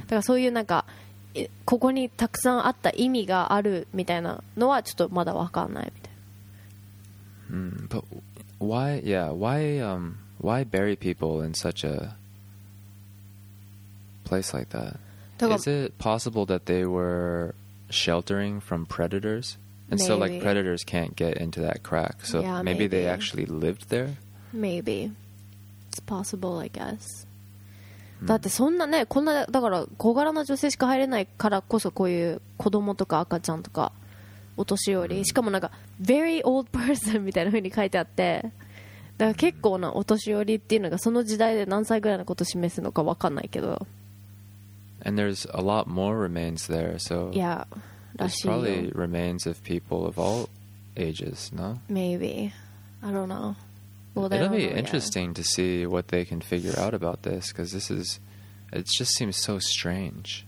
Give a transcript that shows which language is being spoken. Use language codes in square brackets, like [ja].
[ja] だからそういうなんか、ここにたくさんあった意味があるみたいなのはちょっとまだ分かんないみたいな。 [en] But why, yeah, why bury people in such a... place like that. Is it possible that they were sheltering from predators? And maybe. So like predators can't get into that crack. So yeah, maybe they actually lived there? Maybe. It's possible, I guess. [ja] だってそんなね、こんな、だから小柄な女性しか入れないからこそこういう子供とか赤ちゃんとかお年寄り、しかもなんか [en] very old person [ja] みたいな風に書いてあって、だから結構なお年寄りっていうのがその時代で何歳ぐらいのことを示すのか分かんないけど。 [en] And there's a lot more remains there, so yeah, there's probably remains of people of all ages, no? Maybe. I don't know. Well, It'll don't be know interesting、 To see what they can figure out about this, because this is, it just seems so strange.